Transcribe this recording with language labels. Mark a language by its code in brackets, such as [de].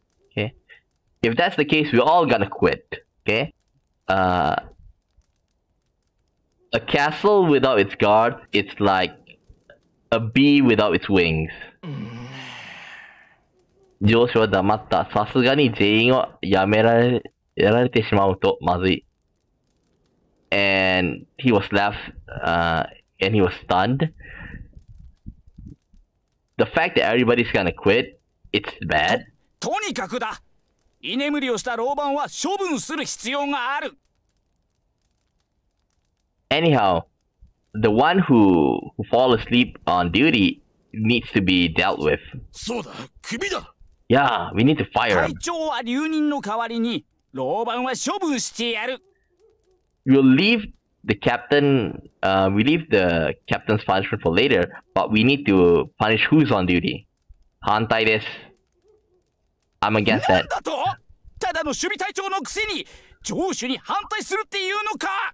[en] Okay. If that's the case, we're all gonna quit. A castle without its guards, it's like a bee without its wings. [ja] 上司は黙った。さすがに全員をやられてしまうとまずい。 [en] And he was left, and he was stunned. The fact that everybody's gonna quit, it's bad. [ja] とにかくだ。居眠りをした老板は処分する必要がある。 [en] Anyhow, the one who fall asleep on duty needs to be dealt with. [ja] そうだ、クビだ。 [en] Yeah, we need to fire him. [ja] 隊長は留任の代わりに、老板は処分してやる。 [en] We'll leave the captain, we leave the captain's punishment for later, but we need to punish who's on duty. [ja] 反対です。 [en] I'm against that. [ja] なんだと？ただの守備隊長のくせに、上司に反対するっていうのか？